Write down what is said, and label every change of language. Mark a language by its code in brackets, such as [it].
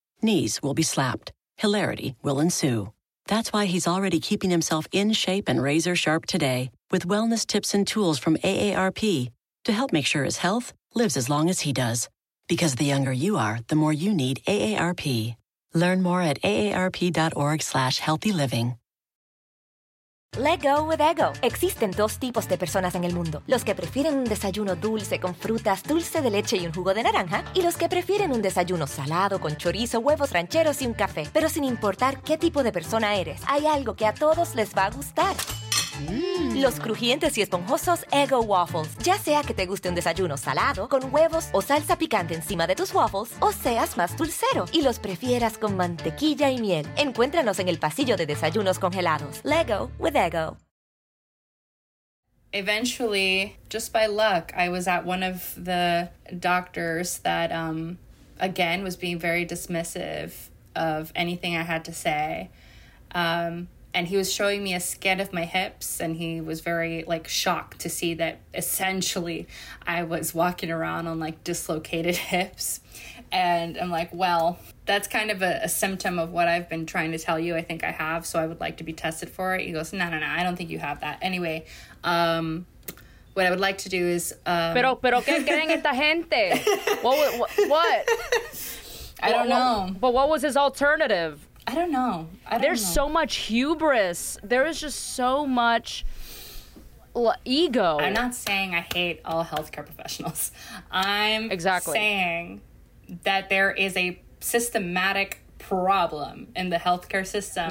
[en] Knees will be slapped. Hilarity will ensue. That's why he's already keeping himself in shape and razor sharp today with wellness tips and tools from AARP to help make sure his health lives as long as he does. Because the younger you are, the more you need AARP. Learn more at aarp.org/healthyliving. Let go with Eggo. [es] Existen dos tipos de personas en el mundo. Los que prefieren un desayuno dulce con frutas, dulce de leche y un jugo de naranja. Y los que prefieren un desayuno salado con chorizo, huevos rancheros y un café. Pero sin importar qué tipo de persona eres, hay algo que a todos les va a gustar. Los crujientes y esponjosos Eggo Waffles. Ya sea que te guste un desayuno salado, con huevos o salsa picante encima de tus waffles, o seas más dulcero y los prefieras con mantequilla y miel. Encuéntranos en el pasillo de desayunos congelados. [en] Lego with Eggo. Eventually, just by luck, I was at one of the doctors that, again, was being very dismissive of anything I had to say. And he was showing me a scan of my hips and he was very like shocked to see that essentially I was walking around on like dislocated hips. And I'm like, well, that's kind of a symptom of what I've been trying to tell you I think I have. So I would like to be tested for it. He goes, no, I don't think you have that. Anyway, what I would like to do is... [es] Pero ¿qué creen esta gente? [en] What? I don't know. But what was his alternative? I don't know. There's so much hubris. There is just so much ego. I'm not saying I hate all healthcare professionals. I'm exactly saying that there is a systematic problem in the healthcare system.